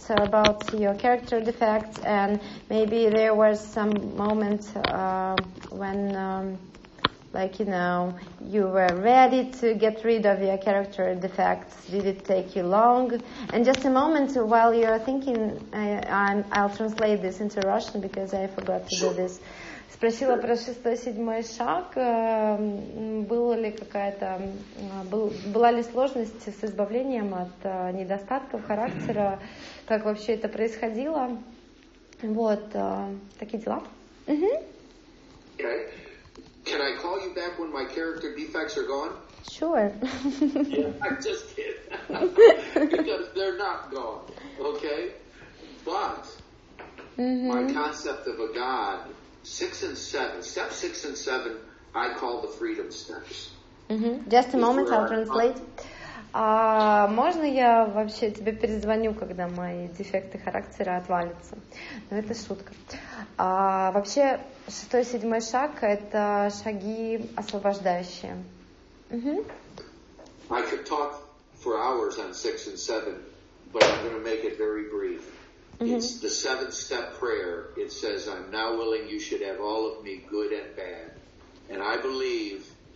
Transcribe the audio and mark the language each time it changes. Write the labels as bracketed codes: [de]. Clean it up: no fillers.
[en] So, about your character defects, and maybe there was some moment when... like, you know, you were ready to get rid of your character defects. Did it take you long? And just a moment while you're thinking, I'll translate this into Russian because I forgot to do this. [ru] Спросила про шестой-седьмой шаг. Была ли сложность с избавлением от недостатков характера? Как вообще это происходило? Вот, такие дела. [en] Can I call you back when my character defects are gone? Sure. Yeah, I'm just kidding. Because they're not gone, okay? But my concept of a God, six and seven, step six and seven, I call the freedom steps. Just a moment, I'll translate. [ru] Можно я вообще тебе перезвоню, когда мои дефекты характера отвалятся? Ну, это шутка. Вообще, шестой-седьмой шаг – это шаги освобождающие. [en] I could talk for hours on six and seven, but I'm going to make it very brief. It's the seven-step prayer. It says, I'm now willing you should have all of me, good and bad. And I believe...